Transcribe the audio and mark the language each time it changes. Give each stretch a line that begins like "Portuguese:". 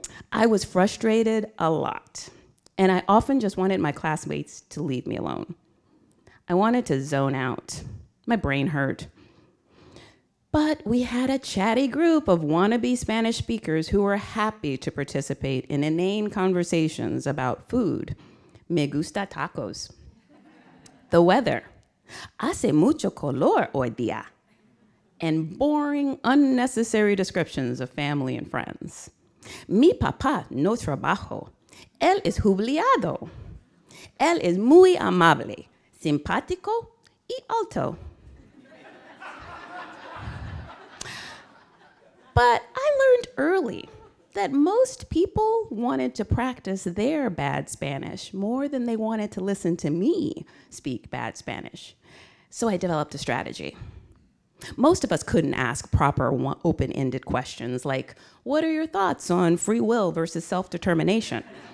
English: I was frustrated a lot, and I often just wanted my classmates to leave me alone. I wanted to zone out. My brain hurt. But we had a chatty group of wannabe Spanish speakers who were happy to participate in inane conversations about food.
Spanish: Me gusta tacos.
English: The weather.
Spanish: Hace mucho calor hoy día.
English: And boring, unnecessary descriptions of family and friends.
Spanish: Mi papá no trabaja. Él es jubilado. Él es muy amable, simpático y alto. But
English: learned early that most people wanted to practice their bad Spanish more than they wanted to listen to me speak bad Spanish. So I developed a strategy. Most of us couldn't ask proper open-ended questions like, what are your thoughts on free will versus self-determination?